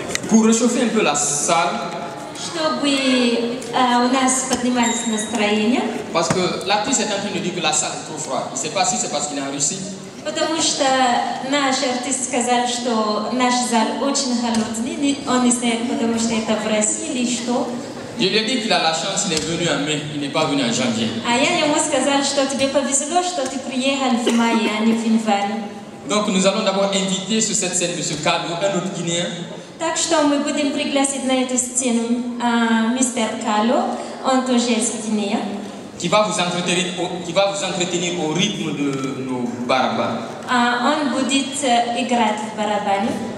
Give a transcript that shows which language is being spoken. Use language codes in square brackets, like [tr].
[fr] pour réchauffer un peu la salle, [ru] чтобы у нас поднималось настроение, [fr] parce que l'artiste est en train de dire que la salle est trop froide. Je ne sais pas si c'est parce qu'il est en Russie. [ru] Потому что наш артист сказал, что наш зал очень холодный, он не знает, потому что это в России или что. [fr] Je lui ai dit qu'il a la chance, il est venu en mai, il n'est pas venu en janvier. [ru] А я ему сказал, что тебе повезло, что ты приехал в мае, а не в январе. [fr] Donc nous allons d'abord inviter sur cette scène Monsieur Kadou, un autre Guinéen. [ru] Так что мы будем пригласить на эту сцену мистер Кало, он тоже из Гвинеи. [fr] Qui va vous entretenir au rythme de nos barabans. [ru] On будет играть в барабане.